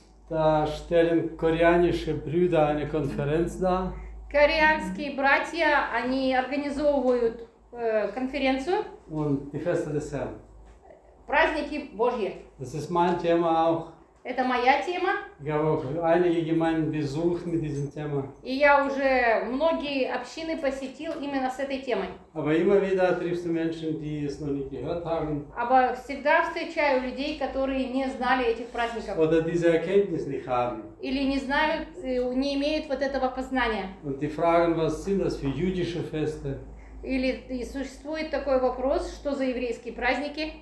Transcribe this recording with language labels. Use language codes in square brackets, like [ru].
[de] Da stellen koreanische Brüder eine Konferenz dar. [ru] Кореанские братья, они организовывают конференцию. [de] Und die Feste des Herrn. [ru] Праздники Божьи. [de] Das ist meine Thema auch. [ru] Это моя тема. [de] Ich habe auch einige Gemeinden besucht mit diesem Thema. [ru] И я уже многие общины посетил именно с этой темой. [de] Aber immer wieder triffst du Menschen, die es noch nicht gehört haben. Aber [ru] всегда встречаю людей, которые не знали этих праздников. [de] Oder diese Erkenntnis nicht haben. [ru] Или не знают, не имеют вот этого познания. [de] Und die fragen, was sind das für jüdische Feste? [ru] Или существует такой вопрос, что за еврейские праздники?